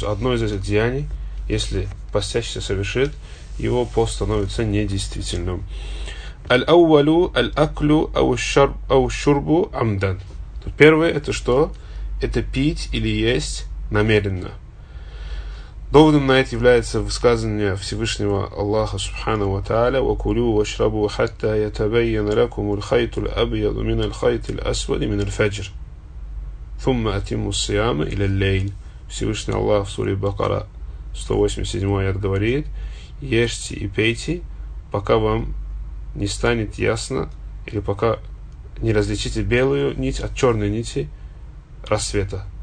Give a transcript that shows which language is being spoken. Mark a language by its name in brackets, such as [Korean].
[Russian] То есть одно из этих деяний, если постящийся совершит, его пост становится недействительным. [Arabic] Аль-ауалу аль-аклю ау-шурбу амдан. [Russian] Первое это что? Это пить или есть намеренно. Доводом на это является высказывание Всевышнего Аллаха Субхана ва Тааля: [Arabic] وَكُلُوا وَشْرَبُوا حَتَّى يَتَبَيَّنَ لَكُمُ الْخَيْطُ الْأَبْيَضُ مِنَ الْخَيْطِ الْأَسْوَدِ مِنَ الْفَجْرِ. Сумма атиму сиама или лейл. [Russian] Всевышний Аллах в суре Бакара 187 аят говорит: ешьте и пейте, пока вам не станет ясно, или пока не различите белую нить от черной нити рассвета.